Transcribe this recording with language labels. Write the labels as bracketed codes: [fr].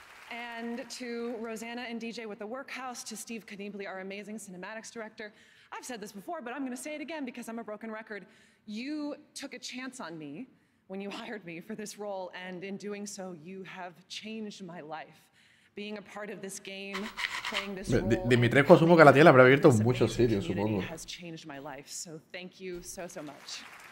[en] And to Rosanna and DJ with the Workhouse, to Steve Knibley, our amazing cinematics director. I've said this before, but I'm going to say it again because I'm a broken record. You took a chance on me when you hired me for this role, and in doing so, you have changed my life. Being a part of this game, playing this role. [es] Dimitrescu, asumo que la tía le habrá abierto muchos sitios, supongo. [en] Has changed my life, so thank you so, so much.